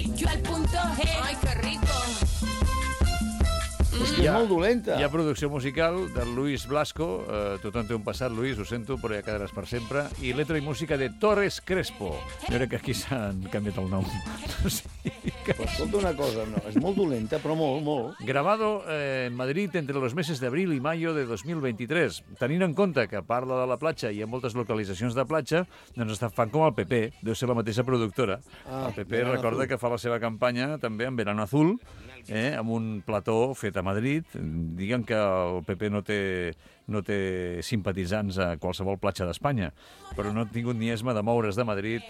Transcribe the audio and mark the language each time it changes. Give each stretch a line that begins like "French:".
Spanish: al punto G. Ai, que rico.
Catalan: És molt dolenta. Hi ha producció musical de Luis Blasco, tothom té un passat, Luis, ho sento, però ja quedaràs per sempre, i letra i música de Torres Crespo. Jo crec que aquí s'han canviat el nom. Sí. Escolta una cosa, no, és molt dolenta, però molt, molt.
Spanish: Grabado en Madrid entre los meses de abril y mayo de 2023.
Catalan: Tenint en compte que parla de la platja i hi ha moltes localitzacions de platja, doncs està fan com el PP, deu ser la mateixa productora. Ah, el PP recorda que fa la seva campanya també en Verano Azul, amb un plató fet a Madrid. Diguen que el PP no té simpatitzants a qualsevol platja d'Espanya, però no ha tingut ni esma de moure's de Madrid.